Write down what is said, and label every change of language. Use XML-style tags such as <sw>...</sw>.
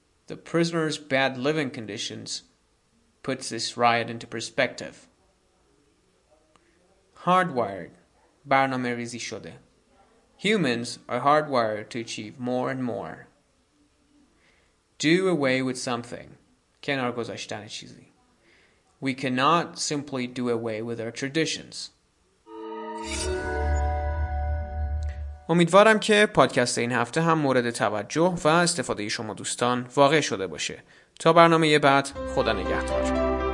<en>The prisoner's bad living conditions puts this riot into perspective.</en> <fa>Hardwired, برنامه ریزی شده.</fa> <en>Humans are hardwired to achieve more and more. Do away with something.</en> <fa>کنار گذاشتن چیزی.</fa> <en>We cannot simply do away with our traditions.</en> <fa>امیدوارم که پادکست این هفته هم مورد توجه و استفاده شما دوستان واقع شده باشه. تا برنامه بعد خدا نگهدار.</fa>